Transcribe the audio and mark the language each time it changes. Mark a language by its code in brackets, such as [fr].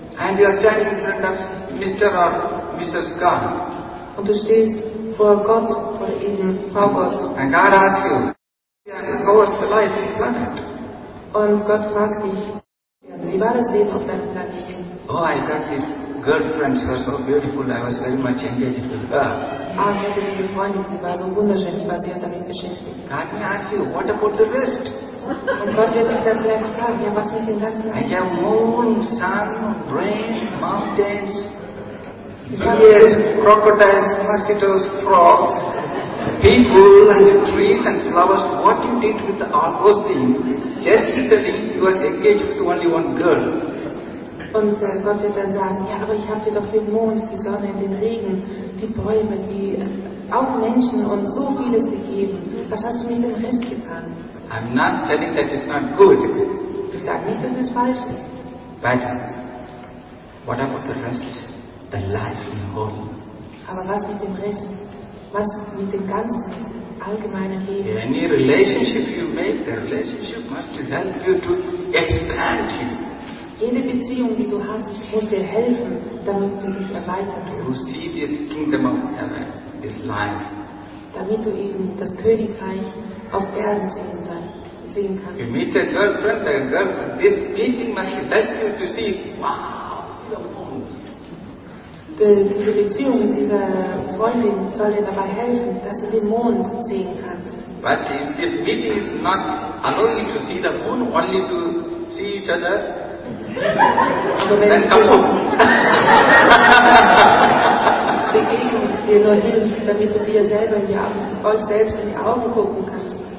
[en] And you are standing in front of Mr. or Mrs. God. [de] Und du stehst vor Gott, vor ihm, vor Gott. [en] And God asks you, how was the life on the planet? [de] Und Gott fragt dich, wie war das Leben auf deinem Planeten? [en] Oh, I got these girlfriends, they were so beautiful, I was very much engaged with her. [de] Ah, ich hatte diese Freundin, sie war so wunderschön, ich war sehr damit beschäftigt. [en] God may ask you, what about the rest? [de] Und Gott wird dich dann vielleicht fragen, ja, was mit den ganzen Leuten? [en] I have moon, sun, rain, mountains, yes, crocodiles, mosquitoes, frogs, people and the trees and flowers. What you did with all those things? Just literally, you were engaged with only one girl. [de] Und Gott wird dann sagen, ja, aber ich habe dir doch den Mond, die Sonne, den Regen, die Bäume, die auch Menschen und so vieles gegeben. Was hast du mit dem Rest getan? [en] I'm not telling that it's not good. [de] Ich sage nicht, dass es falsch ist. [en] But what about the rest? The life in whole. [de] Aber was mit dem Rest? Was mit dem ganzen allgemeinen Leben? [en] Any relationship you make, the relationship must help you to expand you. [de] Jede Beziehung, die du hast, muss dir helfen, damit du dich erweitert. [en] You see this kingdom of heaven, this life. [de] Damit du eben das Königreich auf Erden sehen kannst. [en] You meet a girlfriend, a girlfriend. This meeting must help you to see, wow, the moon. [de] Diese Beziehung mit dieser Freundin soll dir dabei helfen, dass du den Mond sehen kannst. [en] But if this meeting is not allowing you to see the moon, only to see each other, then come on. [de] Wenn begegnen dir nur hilft, damit du dir selber in die Augen, euch selbst in die Augen gucken kannst.